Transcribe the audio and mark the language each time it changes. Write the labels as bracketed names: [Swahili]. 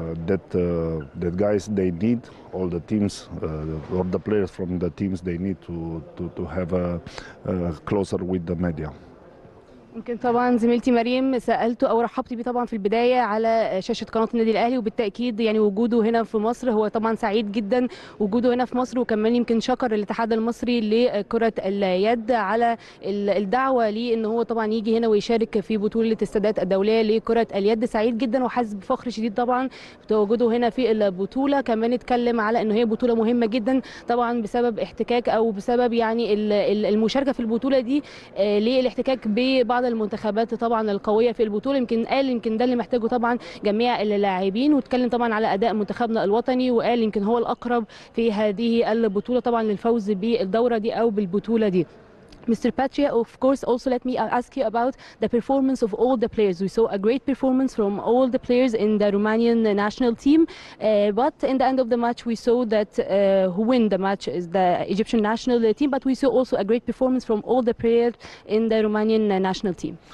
[English] That guys they need all the teams or the players from the teams they need to have a closer with the media. [Arabic] يمكن طبعا زميلتي مريم سالته او رحبت بيه طبعا في البدايه على شاشه قناه النادي الاهلي، وبالتاكيد يعني وجوده هنا في مصر، هو طبعا سعيد جدا وجوده هنا في مصر، وكمان يمكن شكر الاتحاد المصري لكره اليد على الدعوه ليه ان هو طبعا يجي هنا ويشارك في بطوله السادات الدوليه لكره اليد. سعيد جدا وحاسس بفخر شديد طبعا بتواجده هنا في البطوله. كمان اتكلم على ان هي بطوله مهمه جدا طبعا بسبب احتكاك او بسبب يعني المشاركه في البطوله دي للاحتكاك ب بعض المنتخبات طبعا القويه في البطوله، يمكن ده اللي محتاجه طبعا جميع اللاعبين. واتكلم طبعا على اداء منتخبنا الوطني وقال يمكن هو الاقرب في هذه البطوله طبعا للفوز بالدوره دي او بالبطوله دي. [English] Mr. Patria, of course, also let me ask you about the performance of all the players. We saw a great performance from all the players in the Romanian national team. But in the end of the match, we saw that who win the match is the Egyptian national team. But we saw also a great performance from all the players in the Romanian national team.